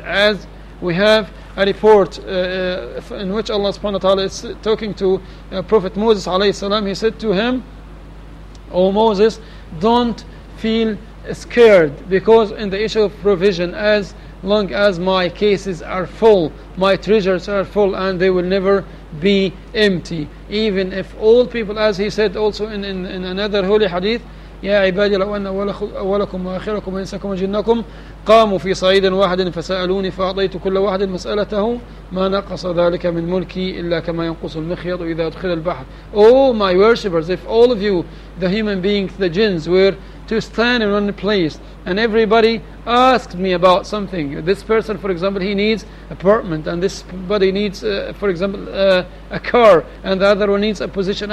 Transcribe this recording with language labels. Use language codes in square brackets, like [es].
[en] As we have a report in which Allah subhanahu wa ta'ala is talking to Prophet Moses alayhi salam. He said to him, O Moses, don't feel scared, because in the issue of provision, as long as my cases are full, my treasures are full, and they will never be empty. Even if all people, as he said also in another holy hadith, [ar] يا عبادي لو أن أولكم وآخركم وإنسكم وجنكم قاموا في صعيد واحد فسألوني فأعطيت كل واحد مسألته ما نقص ذلك من ملكي إلا كما ينقص المخيط إذا أدخل البحر. [en] Oh my worshippers, if all of you, the human beings, the jinns, were to stand in one place and everybody asked me about something. This person, for example, he needs apartment, and this body needs, for example, a car, and the other one needs a position.